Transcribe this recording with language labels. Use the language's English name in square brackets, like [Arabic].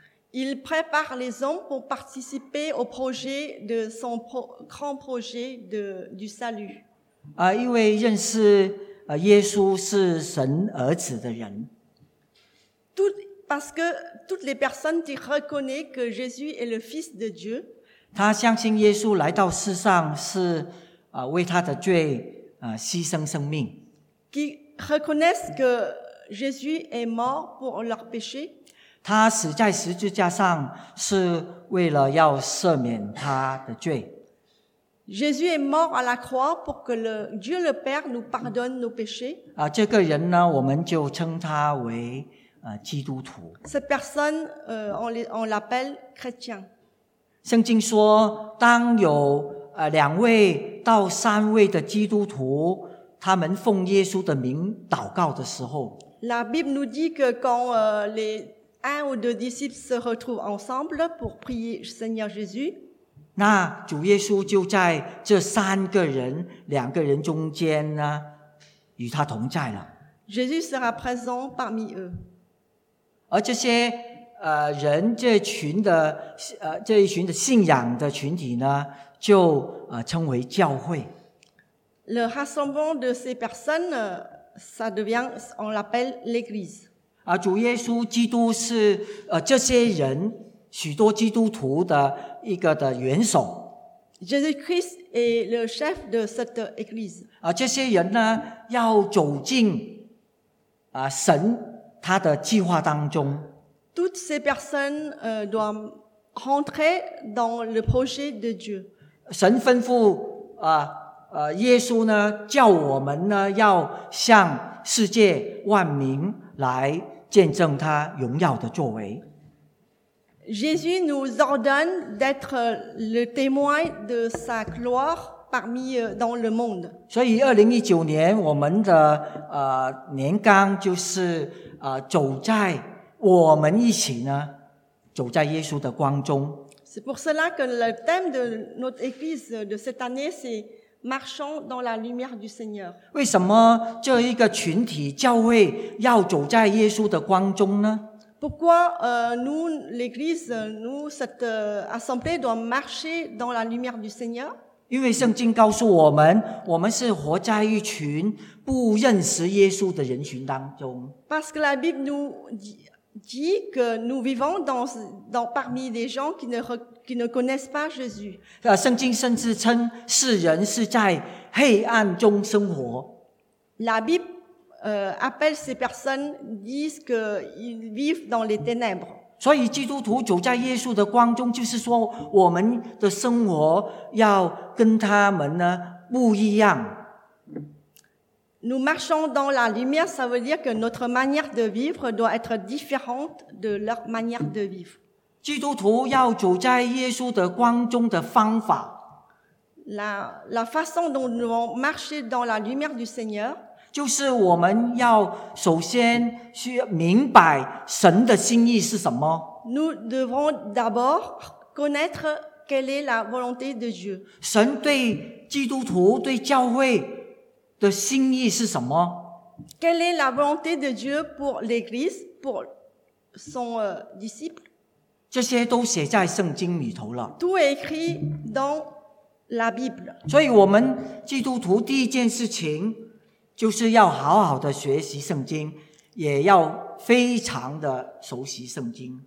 [French] Il prépare les hommes pour participer au projet de son grand projet du salut. [Chinese] 啊，因为认识耶稣是神儿子的人。 [French] Parce que toutes les personnes qui reconnaissent que Jésus est le Fils de Dieu, [Chinese] 他相信耶稣来到世上是为他的罪牺牲生命。 [French] Qui reconnaissent que Jésus est mort pour leurs péchés, [Chinese] 他死在十字架上是为了要赦免他的罪。 [French] Jésus est mort à la croix pour que Dieu le Père nous pardonne nos péchés. [Chinese] 啊，这个人呢，我们就称他为基督徒。 [French] Cette personne, on l'appelle chrétien. [Chinese] 圣经说，当有两位到三位的基督徒，他们奉耶稣的名祷告的时候 [French] ，La Bible nous dit que quand les un ou deux disciples se retrouvent ensemble pour prier Seigneur Jésus, [Chinese] 那主耶稣就在这三个人、两个人中间呢，与他同在了。 [French] Jésus sera présent parmi eux. [Chinese] 而这些人这群的这一群的信仰的群体呢，就称为教会。 [French] Le rassemblement de ces personnes, ça devient, on l'appelle l'Église. [Chinese] 啊，主耶稣基督是这些人许多基督徒的一个的元首。 [French] Jésus-Christ est le chef de cette Église. [Chinese] 啊，这些人呢，要走进神他的计划当中。 [French] Toutes ces personnes doivent rentrer dans le projet de Dieu. [Chinese] 神吩咐耶稣呢，叫我们呢要向世界万民来见证他荣耀的作为。 [French] Jésus nous ordonne d'être le témoin de sa gloire parmi dans le monde. [Chinese] 所以2019年我们的年纲就是走在我们一起呢，走在耶稣的光中。 [French] C'est pour cela que le thème de notre église de cette année c'est marchons dans la lumière du Seigneur. [Chinese] 为什么这一个群体教会要走在耶稣的光中呢？ [French] Pourquoi nous, l'Église, nous, cette assemblée doit marcher dans la lumière du Seigneur? [Chinese] 因为圣经告诉我们，我们是活在一群不认识耶稣的人群当中。 [French] Parce que la Bible nous dit que nous vivons dans parmi des gens qui ne connaissent pas Jésus. [Chinese] 圣经甚至称世人是在黑暗中生活。 [French] La Bible, appelle ces personnes, disent qu'ils vivent dans les ténèbres. [Chinese] 所以基督徒走在耶稣的光中，就是说我们的生活要跟他们呢不一样。 [French] Nous marchons dans la lumière, ça veut dire que notre manière de vivre doit être différente de leur manière de vivre. [Chinese] 基督徒要走在耶稣的光中的方法。 [French] La façon dont nous allons marcher dans la lumière du Seigneur, [Chinese] 就是我们要首先去明白神的心意是什么。 [French] Nous devons d'abord connaître quelle est la volonté de Dieu. [Chinese] 神对基督徒、对教会的心意是什么？ [French] Quelle est la volonté de Dieu pour l'Église, pour son disciple? [Chinese] 这些都写在圣经里头了。 [French] Tout est écrit dans la Bible. [Chinese] 所以我们基督徒第一件事情就是要好好的学习圣经，也要非常的熟悉圣经。